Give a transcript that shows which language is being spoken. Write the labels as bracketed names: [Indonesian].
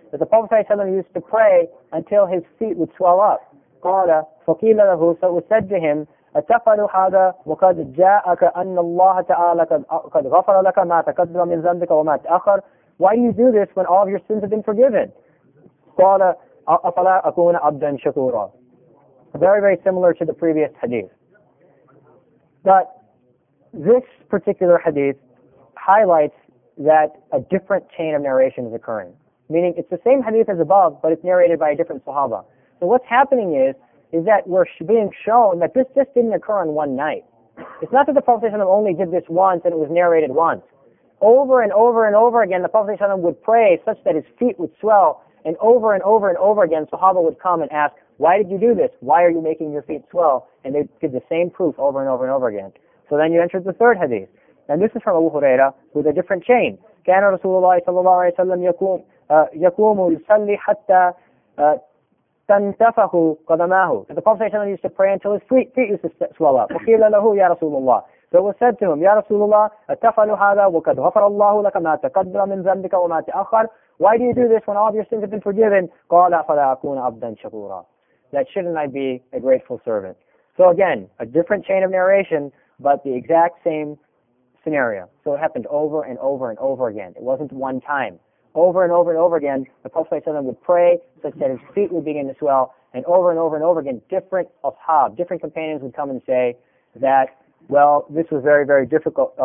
[English] The Prophet ﷺ used to pray until his feet would swell up. [Arabic] قال فقيل له [English] so was said to him [Arabic] أتفعل هذا وقد جاءك أن الله تعالى قد غفر لك ما تقدم من ذنبك وما تأخر. [English] Why do you do this when all of your sins have been forgiven? [Arabic] قال أفلا أكون عبدا شكورا. [English] Very, very similar to the previous hadith. But this particular hadith highlights that a different chain of narration is occurring. Meaning it's the same hadith as above, but it's narrated by a different sahaba. So what's happening is that we're being shown that this just didn't occur in one night. It's not that the Prophet ﷺ only did this once and it was narrated once. Over and over and over again, the Prophet ﷺ would pray such that his feet would swell, and over and over and over again, sahaba would come and ask, why did you do this? Why are you making your feet swell? And they give the same proof over and over and over again. So then you entered the third hadith. And this is from Abu Huraira with a different chain. [Arabic] كان رسول الله صلى الله عليه وسلم يقوم يصلي حتى تنتفخ قدماه. [English] The Prophet ﷺ used to pray until his feet used to swell up. [Arabic] وقيل له يا رسول الله. [English] So it was said to him, [Arabic] يا رسول الله أتفعل هذا وقد غفر الله لك ما تقدم من ذنبك وما تأخر. [English] Why do you do this when all of your sins have been forgiven? [Arabic] قال فلا أكون عبدا شكورا. [English] That shouldn't I be a grateful servant? So again, a different chain of narration, but the exact same scenario. So it happened over and over and over again. It wasn't one time. Over and over and over again, the Prophet ﷺ would pray such that his feet would begin to swell, and over and over and over again, different ashab, different companions would come and say that, well, this was very, very difficult.